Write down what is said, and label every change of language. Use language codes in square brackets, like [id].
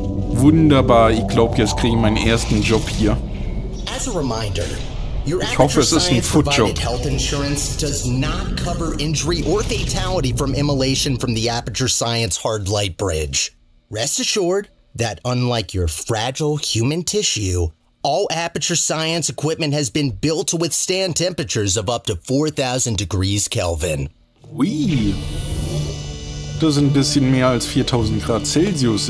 [de] Wunderbar, ich glaube, jetzt kriege ich meinen ersten Job hier. [en] As a reminder. [de] Ich hoffe, es ist ein Footjob. [en] Health insurance does not cover injury or fatality from immolation from the Aperture Science Hard Light Bridge. Rest assured that unlike your fragile human tissue, all Aperture Science equipment has been built to withstand temperatures of up to 4000 degrees Kelvin. Wee. [de] Das ist ein bisschen mehr als 4000 Grad Celsius.